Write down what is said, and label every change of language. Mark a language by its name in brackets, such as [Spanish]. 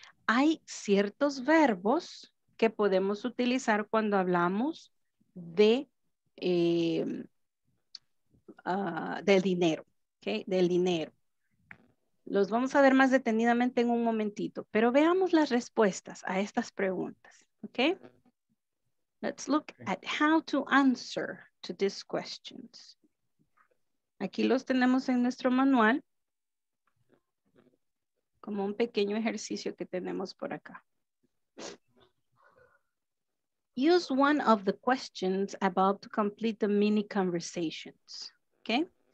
[Spanish] Hay ciertos verbos que podemos utilizar cuando hablamos de del dinero, okay? Del dinero. Los vamos a ver más detenidamente en un momentito, pero veamos las respuestas a estas preguntas, okay? [English] Let's look at how to answer to these questions. [Spanish] Aquí los tenemos en nuestro manual, como un pequeño ejercicio que tenemos por acá. [English] Use one of the questions about to complete the mini conversations, okay?